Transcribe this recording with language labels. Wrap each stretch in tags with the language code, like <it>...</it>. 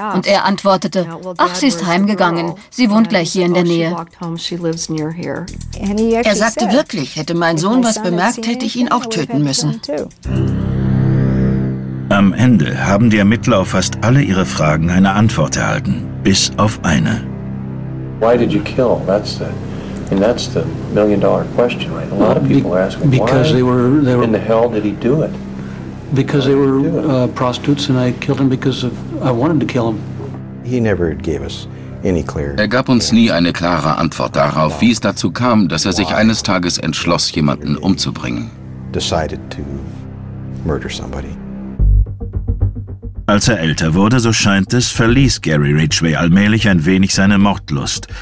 <de>Und er antwortete, ach, sie ist heimgegangen, sie wohnt gleich hier in der Nähe. Er sagte wirklich, hätte mein Sohn was bemerkt, hätte ich ihn auch töten müssen. Am Ende haben die Ermittler auf fast alle ihre Fragen eine Antwort erhalten, bis auf eine.</de> <en>Why did you kill? That's the million-dollar question, right? A lot of people ask, why in the hell did he do it? Because they were prostitutes and I killed him because of, I wanted to kill him. He never gave us any clear.</en> <de>Er gab uns nie eine klare Antwort darauf, wie es dazu kam, dass er sich eines Tages entschloss, jemanden umzubringen.</de> <en>Decided to murder somebody.</en> <de>Als er älter wurde, so scheint es, verließ Gary Ridgway allmählich ein wenig seine Mordlust.</de>